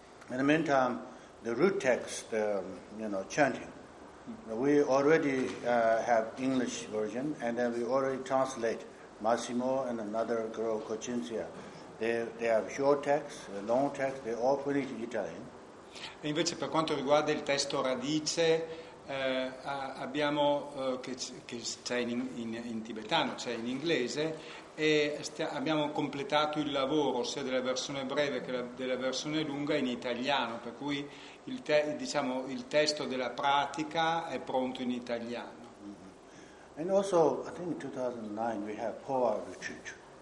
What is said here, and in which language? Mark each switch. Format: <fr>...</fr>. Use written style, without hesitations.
<en>In the meantime, the root text, chanting, we already have English version, and then we already translate Massimo and another girl, Cocinzia. They have short text, long text, they all put it in Italian.</en> <it>E invece per quanto riguarda il testo radice, abbiamo che c'è in tibetano, c'è in inglese, e abbiamo completato il lavoro sia della versione breve che della versione lunga in italiano, per cui il testo della pratica è pronto in italiano. Mm-hmm.</it> <en>And also, I think in 2009 we have Poa Retreat.</en>